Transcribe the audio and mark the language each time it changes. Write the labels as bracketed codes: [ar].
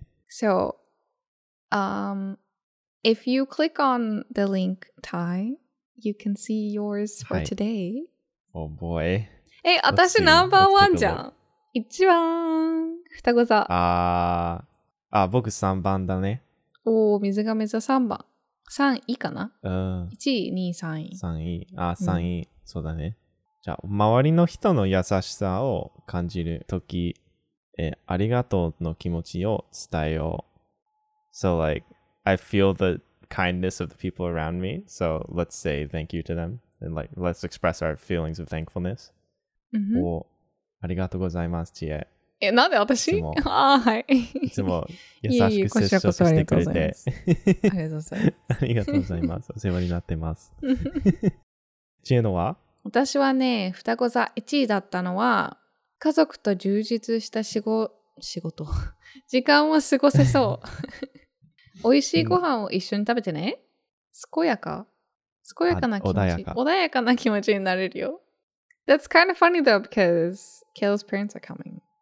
[en] So, if you click on the link, Tai, you can see yours for today. Oh boy. [ja] え、私ナンバーワンじゃん。一番双子座。あ、僕3番だね。おお、水亀座3番。3位かな、うん、 ?1 位、2位、 3位。3位。あ、3位、うん。そうだね。じゃあ、周りの人の優しさを感じるとき、ありがとうの気持ちを伝えよう。 [en] So, like, I feel the kindness of the people around me. So, let's say thank you to them. And, like, let's express our feelings of thankfulness. Mm-hmm. [ja] お、ありがとうございます、知恵。え、なんで私？あ、はい。いつも優しく接触してくれて。ありがとうございます。ありがとうございます。お世話になってます。知恵のは？私はね、双子座1位だったのは、家族と充実した仕事。時間を過ごせそう。美味しいご飯を一緒に食べてね。健やかな気持ち。穏やかな気持ちになれるよ。 [en] That's kind of funny though, because Kale's parents are coming.